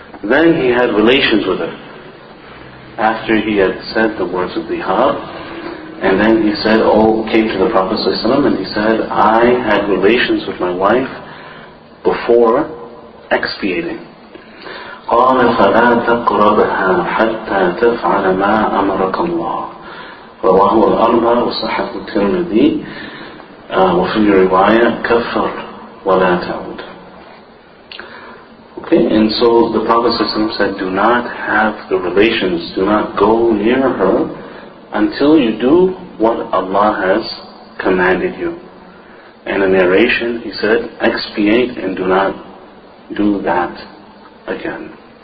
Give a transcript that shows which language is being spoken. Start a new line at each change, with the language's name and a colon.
English: Then he had relations with her after he had said the words of bihar. And then he said, came to the Prophet صلى الله عليه وسلم, and he said, I had relations with my wife before expiating.
Arabic: قَالَ فَلَا تَقْرَبْهَا حَتَّى تَفْعَلَ مَا أَمَرَكَ اللَّهُ رواه الأربعة وصحح الترمذي وفي الرواية كفر ولا تعود.
English: Okay, and so the Prophet ﷺ said, do not have the relations, do not go near her until you do what Allah has commanded you. And a narration, he said, expiate and do not do that again.